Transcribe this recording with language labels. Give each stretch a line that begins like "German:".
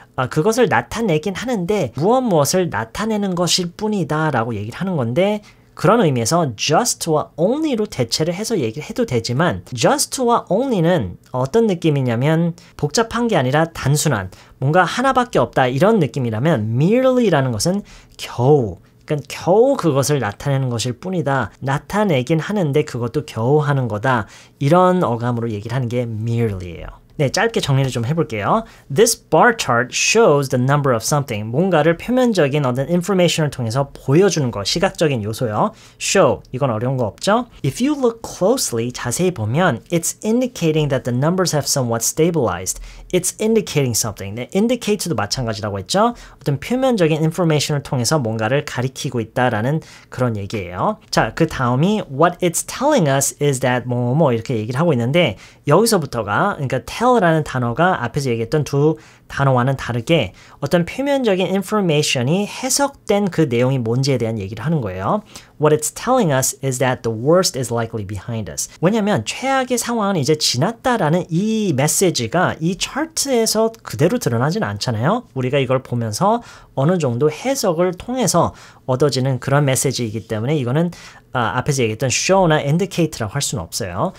Korean: 그것을 나타내긴 하는데 무엇 무엇을 나타내는 것일 뿐이다 라고 얘기를 하는 건데 그런 의미에서 just와 only로 대체를 해서 얘기를 해도 되지만 just와 only는 어떤 느낌이냐면 복잡한 게 아니라 단순한 뭔가 하나밖에 없다 이런 느낌이라면 merely라는 것은 겨우 그러니까 겨우 그것을 나타내는 것일 뿐이다. 나타내긴 하는데 그것도 겨우 하는 거다. 이런 어감으로 얘기를 하는 게 merely예요. 네, 짧게 정리를 좀 해볼게요.
English: This bar chart shows the number of something.
Korean: 뭔가를 표면적인 어떤 information을 통해서 보여주는 거, 시각적인 요소요. Show, 이건 어려운 거 없죠?
English: If you look closely,
Korean: 자세히 보면
English: it's indicating that the numbers have somewhat stabilized. It's indicating something.
Korean: 네, indicate도 마찬가지라고 했죠? 어떤 표면적인 information을 통해서 뭔가를 가리키고 있다라는 그런 얘기예요. 자, 그 다음이
English: what it's telling us is that
Korean: 뭐뭐 이렇게 얘기를 하고 있는데 여기서부터가, 그러니까 tell라는 단어가 앞에서 얘기했던 두 단어와는 다르게 어떤 표면적인 information이 해석된 그 내용이 뭔지에 대한 얘기를 하는 거예요.
English: What it's telling us is that the worst is likely behind us.
Korean: 왜냐하면 최악의 상황은 이제 지났다라는 이 메시지가 이 차트에서 그대로 드러나진 않잖아요. 우리가 이걸 보면서 어느 정도 해석을 통해서 얻어지는 그런 메시지이기 때문에 이거는 앞에서 얘기했던 show나 indicate라고 할 수는 없어요.